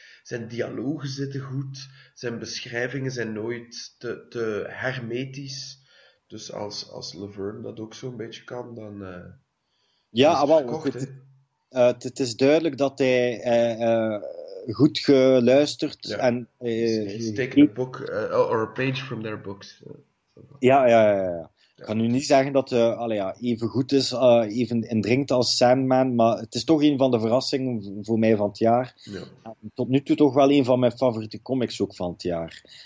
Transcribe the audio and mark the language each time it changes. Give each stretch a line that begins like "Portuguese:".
Dutch: Zijn dialogen zitten goed, zijn beschrijvingen zijn nooit te hermetisch. Dus als Laverne dat ook zo'n beetje kan, dan is Ja, het wel. verkocht, hè? Het is duidelijk dat hij goed geluisterd Ja, en
English: he's taken a book, or a page from their books.
Dutch: ja. Ik kan nu niet zeggen dat even goed is, even indringt als Sandman, maar het is toch een van de verrassingen voor mij van het jaar. En tot nu toe toch wel een van mijn favoriete comics ook van het jaar.